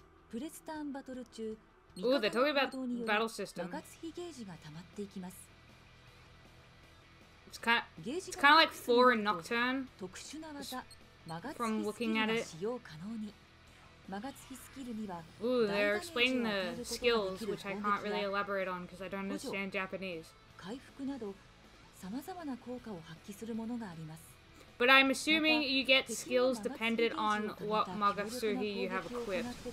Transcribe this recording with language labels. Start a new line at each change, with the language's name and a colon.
Japanese: プレスターンバトル中、味方の行動によりマガツヒゲージが溜まっていきます。ゲージが溜まっていきます。特殊な技マガツヒスキルが使用可能に。マガツヒスキルには、
English: Ooh, they're explaining the skills, which I can't really elaborate on because I don't understand Japanese.
Japanese: 回復など、様々な効果を発揮するものがあります。
English: But I'm assuming you get skills dependent on what Magatsuhi you have equipped.